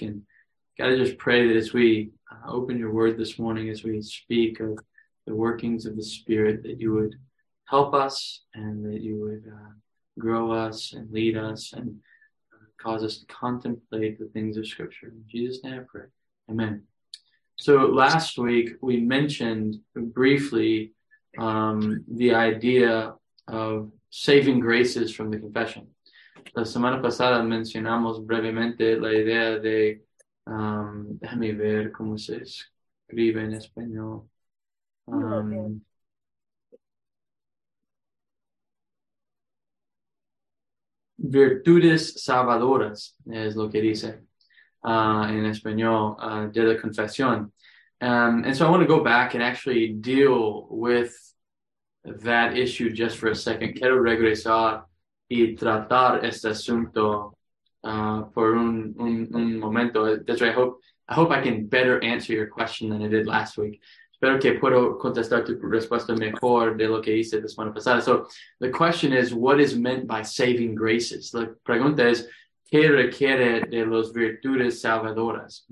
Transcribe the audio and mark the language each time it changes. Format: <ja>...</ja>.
<en>And God, I just pray that as we open your word this morning, as we speak of the workings of the Spirit, that you would help us and that you would grow us and lead us and cause us to contemplate the things of Scripture. In Jesus' name I pray. Amen. So last week, we mentioned briefly the idea of saving graces from the confession.</en> <es>La semana pasada mencionamos brevemente la idea de, déjame ver cómo se escribe en español. Virtudes salvadoras es lo que dice. In español, de la confesión.</es> <en>And so I want to go back and actually deal with that issue just for a second.</en> <es>Quiero regresar y tratar este asunto por un momento.</es> <en>That's right. I hope I can better answer your question than I did last week.</en> <es>Espero que puedo contestar tu respuesta mejor de lo que hice la semana pasada.</es> <en>So the question is, what is meant by saving graces?</en> <es>La pregunta es, ¿qué requiere de las virtudes salvadoras?</es>